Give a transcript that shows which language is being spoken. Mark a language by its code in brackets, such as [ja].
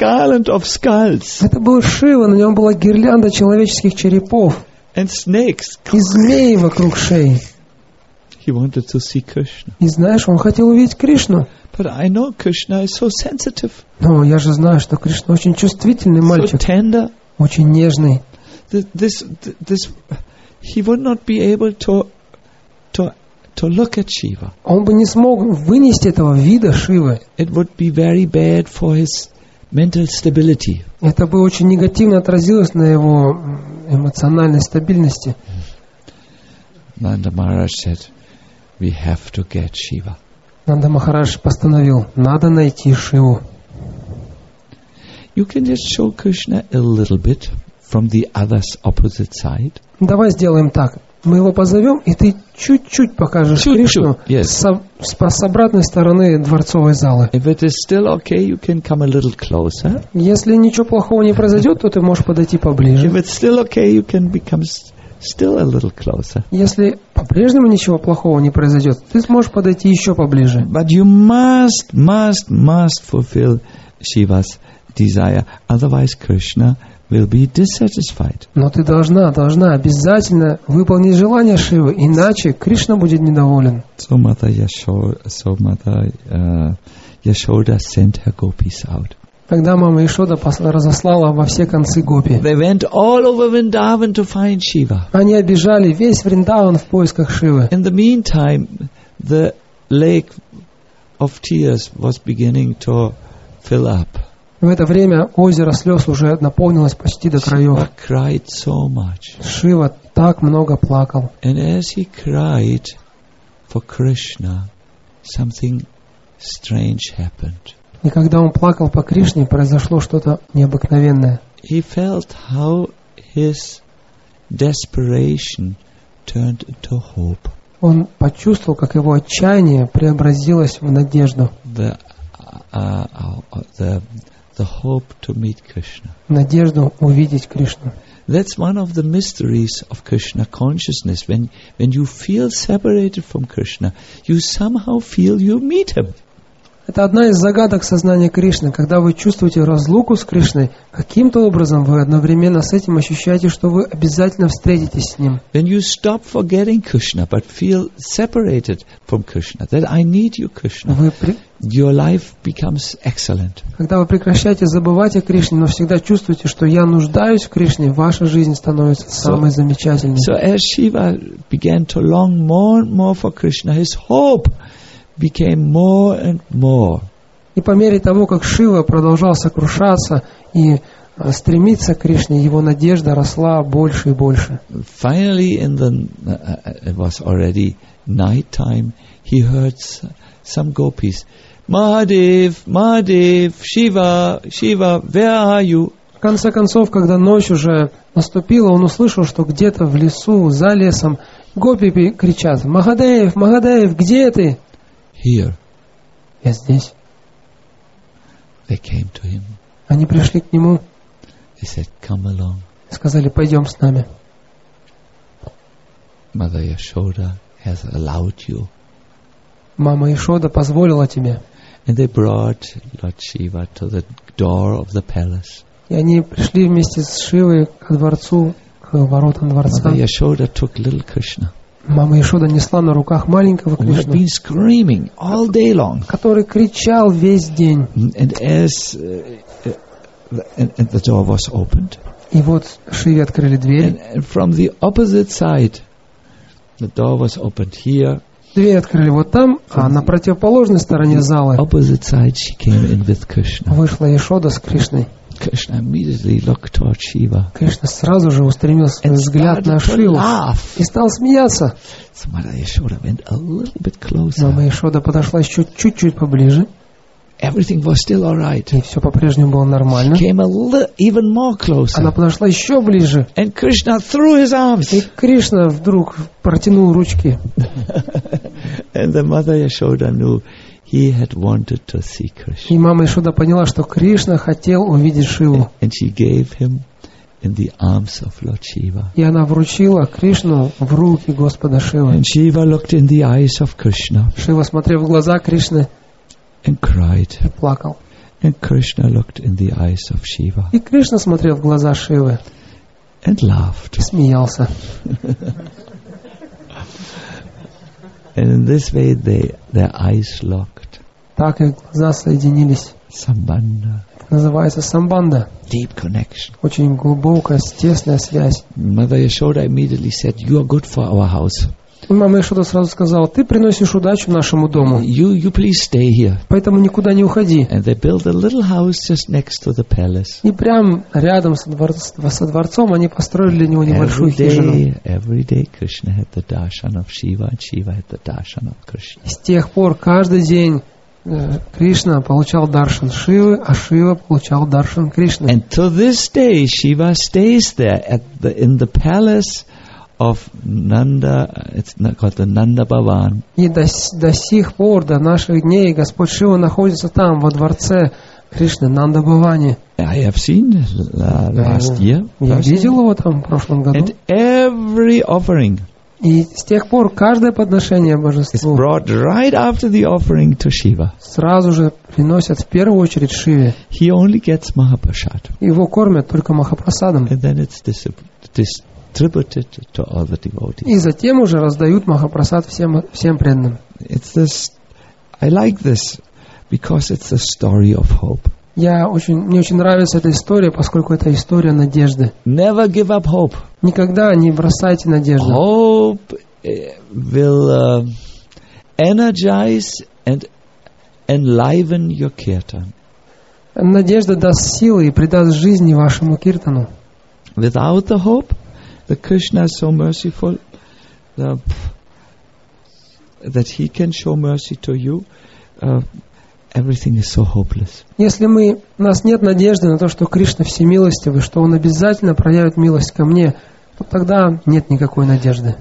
[ru] Это был Шива, на нем была гирлянда человеческих черепов и змеи вокруг шеи. [en] He wanted to see Krishna. [ru] И знаешь, он хотел увидеть Кришну. [en] But I know Krishna is so sensitive. [ru] Но я же знаю, что Кришна очень чувствительный мальчик. [en] So tender. [ru] Очень нежный. [en] This he would not be able to look at Shiva. [ru] Он бы не смог вынести этого вида Шивы. [en] It would be very bad for his mental stability. [ru] Это бы очень негативно отразилось на его эмоциональной стабильности. [en] Нанда Махарадж said, we have to get Shiva. [ru] Нанда Махарадж постановил, надо найти Шиву. [en] You can just show Krishna a little bit from the other's opposite side. [ru] Давай сделаем так. Мы его позовем, и ты чуть-чуть покажешь Кришну с обратной стороны дворцовой залы. [en] If it is still okay, you can come a little closer. [ru] Если ничего плохого не произойдет, то ты можешь подойти поближе. [en] If it's still okay, you can become still a little closer. [ru] Если по-прежнему ничего плохого не произойдет, ты сможешь подойти еще поближе. [en] But you must fulfill Shiva's desire, otherwise Krishna will be dissatisfied. [ru] Но ты должна обязательно выполнить желание Шивы, иначе Кришна будет недоволен. [en] So Mother Yashoda sent her gopis out. [ru] Тогда мама Яшода разослала во все концы Гопи. [en] They went all over Vrindavan to find Shiva. [ru] Они обижали весь Вриндаван в поисках Шивы. [en] In the meantime, the lake of tears was beginning to fill up. [ru] В это время озеро слез уже наполнилось почти до краев. [en] Shiva cried so much. [ru] Шива так много плакал. [en] And as he cried for Krishna, something strange happened. [ru] И когда он плакал по Кришне, произошло что-то необыкновенное. [en] He felt how his desperation turned into hope. [ru] Он почувствовал, как его отчаяние преобразилось в надежду. [en] The hope to meet Krishna. [ru] Надежду увидеть Кришну. [en] That's one of the mysteries of Krishna consciousness. When you feel separated from Krishna, you somehow feel you meet him. [ru] Это одна из загадок сознания Кришны. Когда вы чувствуете разлуку с Кришной, каким-то образом вы одновременно с этим ощущаете, что вы обязательно встретитесь с Ним. [en] Then you stop forgetting Krishna, but feel separated from Krishna. That I need you, Krishna. Your life becomes excellent. [ru] Когда вы прекращаете забывать о Кришне, но всегда чувствуете, что я нуждаюсь в Кришне, ваша жизнь становится самой замечательной. [en] So as Shiva began to long more and more for Krishna, his hope became more and more. [ru] И по мере того, как Шива продолжал сокрушаться и стремиться к Кришне, его надежда росла больше и больше. [en] Finally, in the it was already night time, he heard some gopis, Mahadev, Mahadev, Shiva, Shiva, where are you? [ru] В конце концов, когда ночь уже наступила, он услышал, что где-то в лесу, за лесом, гопи кричат, Mahadev, Mahadev, где ты? [en] Here. [ru] Я здесь. [en] They came to him. [ru] Они пришли к нему. [en] He said, come along. [ru] Сказали, пойдем с нами. [en] Mother Yashoda has allowed you. [ru] Мама Ишода позволила тебе. [en] And they brought Lord Shiva to the door of the palace. [ru] И они пришли вместе с Шивой к дворцу, к воротам дворца. [en] Mother Yashoda took little Krishna. [ru] Мама Ишода несла на руках маленького Кришну. [en] Who had been screaming all day long. [ru] Который кричал весь день. [en] And as and the door was opened. [ru] И вот Шиве открыли дверь. [en] And from the opposite side, the door was opened here. [ru] Дверь открыли вот там, а на противоположной стороне зала [en] opposite side she came in with Krishna. [ru] Вышла Ишода с Кришной. [en] Krishna immediately looked toward Shiva. [ru] Кришна сразу же устремил свой взгляд на Шиву и стал смеяться. [en] So Mother Ishoda went a little bit closer. [ru] Мама Ишода подошла еще чуть-чуть поближе. [en] Everything was still all right. [ru] И все по-прежнему было нормально. [en] She came a little even more closer. [ru] Она подошла еще ближе. [en] And Krishna threw his arms. [ru] И Кришна вдруг протянул ручки. [en] And the Mother Yashoda knew he had wanted to see Krishna. [ru] И мама Ишода поняла, что Кришна хотел увидеть Шиву. [en] And she gave him in the arms of Lord Shiva. [ru] И она вручила Кришну в руки Господа Шивы. [en] And Shiva looked in the eyes of Krishna. [ru] Шива смотрел в глаза Кришны. [en] And cried. [ru] И плакал. [en] And Krishna looked in the eyes of Shiva. [ru] И Кришна смотрел в глаза Шивы. [en] And laughed. [ru] И смеялся. [en] And in this way they their eyes locked. [ru] Так их глаза соединились. [en] Sambandha. [ru] Называется самбанда. [en] Deep connection. [ru] Очень глубокая, тесная связь. [en] Mother Yashoda immediately said, "You are good for our house." [ru] Мама Ишода сразу сказала, ты приносишь удачу нашему дому. [en] You please stay here. [ru] Поэтому никуда не уходи. [en] And they built a little house just next to the palace. [ru] И прямо рядом со дворцом они построили для него небольшую хижину. [en] Every day Krishna had the darshan of Shiva, and Shiva had the darshan of Krishna. [ru] С тех пор каждый день Кришна получал даршан Шивы, а Шива получал даршан Кришны. [en] And to this day Shiva stays there in the palace of Nanda, it's called the Nanda Bhavan. [ru] И до сих пор, до наших дней, Господь Шива находится там, во дворце Кришны, Нанда Бхавани. [en] I have seen last year. [ru] Я видел его там в прошлом году. [en] And every offering. [ru] И с тех пор каждое подношение Божеству. [en] Is brought right after the offering to Shiva. [ru] Сразу же приносят в первую очередь Шиве. [en] He only gets Mahaprasad. [ru] Его кормят только Махапрасадом. [en] And then it's this distributed to all the devotees. [ru] И затем уже раздают Махапрасад всем преданным. [en] I like this because it's a story of hope. [ru] Мне очень нравится эта история, поскольку это история надежды. [en] Never give up hope. [ru] Никогда не бросайте надежду. [en] Hope will energize and enliven your kirtan. [ru] Надежда даст силы и придаст жизни вашему киртану. [en] Without the hope, the Krishna is so merciful that he can show mercy to you. Everything is so hopeless. [ru] Если мы у нас нет надежды на то, что Кришна всемилостивый, что он обязательно проявит милость ко мне, то тогда нет никакой надежды.